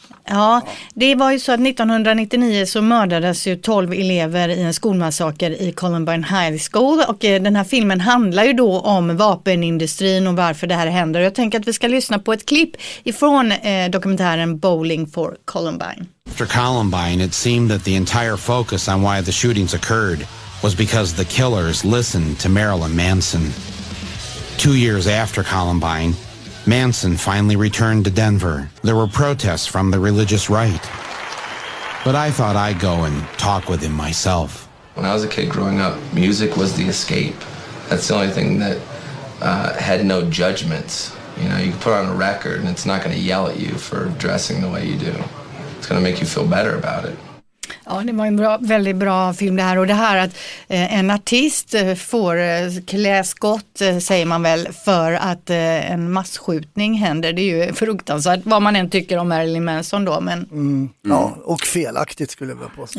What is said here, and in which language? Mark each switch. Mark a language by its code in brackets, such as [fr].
[sv] Ja, det var ju så att 1999 så mördades ju 12 elever i en skolmassaker i Columbine High School, och den här filmen handlar ju då om vapenindustrin och varför det här händer. Jag tänker att vi ska lyssna på ett klipp ifrån dokumentären Bowling for Columbine. [en] After Columbine, it seemed that the entire focus on why the shootings occurred was because the killers listened to Marilyn Manson. 2 years after Columbine, Manson finally returned to Denver. There were protests from the religious right. But I thought I'd go and talk with him myself. When I was a kid growing up, music was the escape. That's the only thing that had no judgments. You know, you put on a record and it's not going to yell at you for dressing the way you do. It's going to make you feel better about it. [sv] Ja, det var en bra, väldigt bra film det här. Och det här att en artist får klä skott, säger man väl, för att en massskjutning händer. Det är ju fruktansvärt, vad man än tycker om Marilyn Manson då. Men... Mm. Ja, och felaktigt skulle jag vilja påstå.